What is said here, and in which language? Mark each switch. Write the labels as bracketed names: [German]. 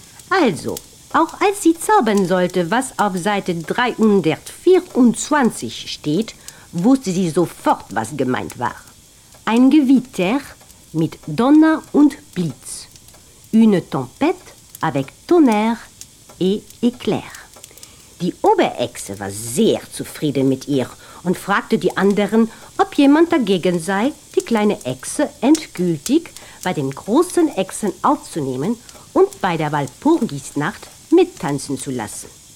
[German] Also, auch als sie zaubern sollte, was auf Seite 324 steht, wusste sie sofort, was gemeint war. Ein Gewitter mit Donner und Blitz. [French] Une tempête avec tonnerre et éclair. [German] Die Oberhexe war sehr zufrieden mit ihr und fragte die anderen, ob jemand dagegen sei, die kleine Hexe endgültig bei den großen Hexen aufzunehmen und bei der Walpurgisnacht mittanzen zu lassen.